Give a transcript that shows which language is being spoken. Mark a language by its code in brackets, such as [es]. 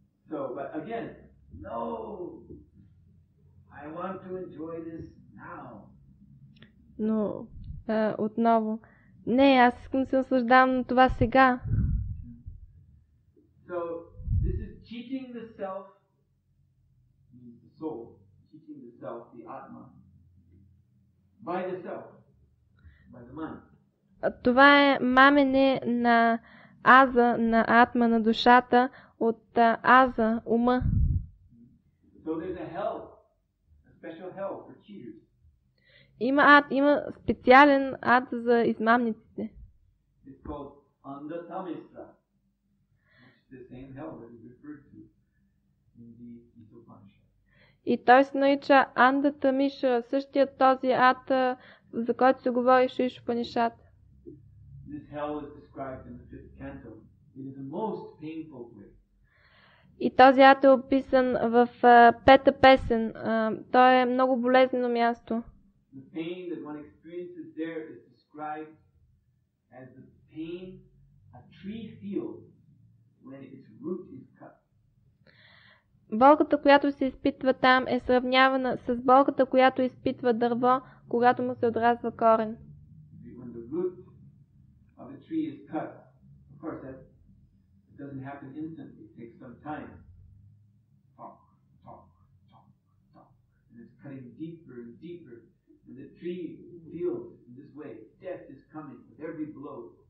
[en] So, but again, no. I want to enjoy this now. [bg] Но отново. Не, аз искам да се наслаждавам на това сега. [en] So, this is cheating the self, the soul, cheating the self, the atma, by the self, by the mind. [bg] Това е мамене на аза, на атма, на душата, от аза, ума. [en] So there's a hell, a special hell for cheaters. [bg] Има ад, има специален ад за измамниците. [en] It's called Andatamistra. It's the same hell that is referred to in the Upanishad. [bg] И той се нарича Андатамиша, същия този ад, за който се говори в Упанишад. [en] This hell is described in the fifth canto. It is the most painful place. [bg] И този ад е описан в пета песен. Той е много болезнено място. [en] The pain that one experiences there is described as the pain a tree feels when its root is cut. [bg] Болката, която се изпитва там, е сравнявана с болката, която изпитва дърво, когато му се отрязва корен. [en] When the root of a tree is cut, of course that doesn't happen instantly, it takes some time. Talk, talk, talk, talk. And it's cutting deeper and deeper. And the tree feels in this way. Death is coming with every blow.